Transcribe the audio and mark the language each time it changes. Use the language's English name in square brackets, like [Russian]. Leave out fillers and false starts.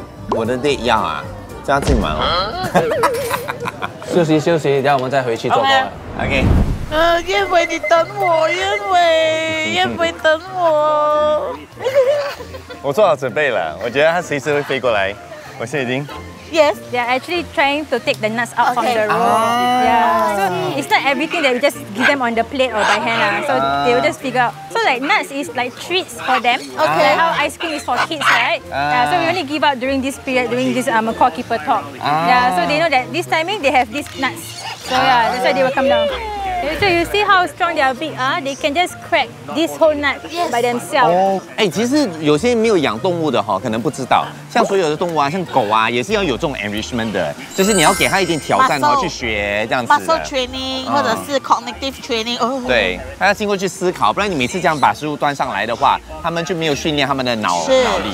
[Chinese] 我的 date 要啊，这样进门了。休息休息，等我们再回去做吧。 OK。燕飞，你等我，燕飞等我。我做好准备了，我觉得他随时会飞过来，我现在已经。 [English] Yes, they are actually trying to take the nuts out from the room. So it's not everything that we just give them on the plate or by hand. So they will just figure out. So like nuts is like treats for them. Okay. Like how ice cream is for kids, right? So we only give out during this period, during this call keeper talk. So they know that this timing they have these nuts. So yeah, that's why they will come down. So you see how strong their beak are? They can just crack this whole nut by themselves. [Chinese] 哎，其实有些没有养动物的哈，可能不知道。像所有的动物啊，像狗啊，也是要有这种 enrichment 的，就是你要给它一点挑战，然后去学这样子的。 [English] Muscle training [Chinese] 或者是 [English] cognitive training。 [Chinese] 对，它要经过去思考，不然你每次这样把食物端上来的话，他们就没有训练他们的脑力。